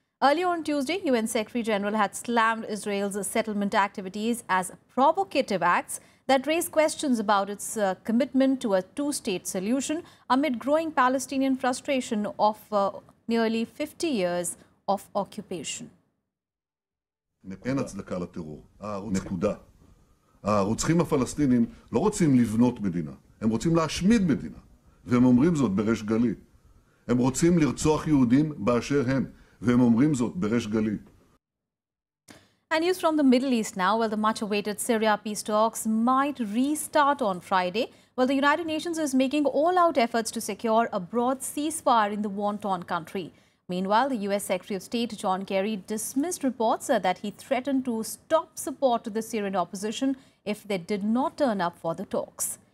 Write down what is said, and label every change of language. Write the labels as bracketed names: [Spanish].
[English] Earlier on Tuesday, UN Secretary General had slammed Israel's settlement activities as provocative acts that raise questions about its commitment to a two-state solution amid growing Palestinian frustration of nearly 50 years of occupation. [Hebrew] אין הצדקה לטרור. נקודה. הרוצחים הפלסטינים לא רוצים לבנות מדינה. הם רוצים להשמיד מדינה. והם אומרים זאת בריש גלי. הם רוצים לרצוח יהודים באשר הם. והם אומרים זאת בריש גלי. [English] And news from the Middle East now. Well, the much-awaited Syria peace talks might restart on Friday. Well, the United Nations is making all-out efforts to secure a broad ceasefire in the war-torn country. Meanwhile, the U.S. Secretary of State John Kerry dismissed reports that he threatened to stop support to the Syrian opposition if they did not turn up for the talks.